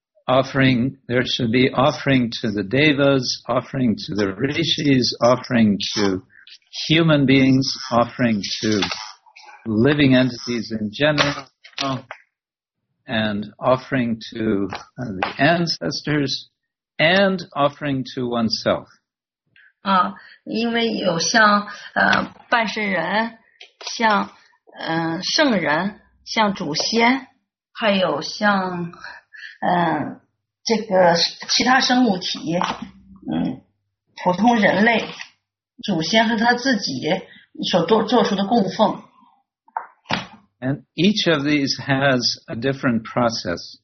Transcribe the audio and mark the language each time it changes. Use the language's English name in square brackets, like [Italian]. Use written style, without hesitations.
[English] Offering, there should be offering to the devas, offering to the rishis, offering to human beings, offering to living entities in general, and offering to the ancestors. And offering to oneself. [Chinese] 因为有像半身人，像圣人，像祖先，还有像这个其他生物体，普通人类，祖先和他自己所做出的供奉。 [English] And each of these has a different process.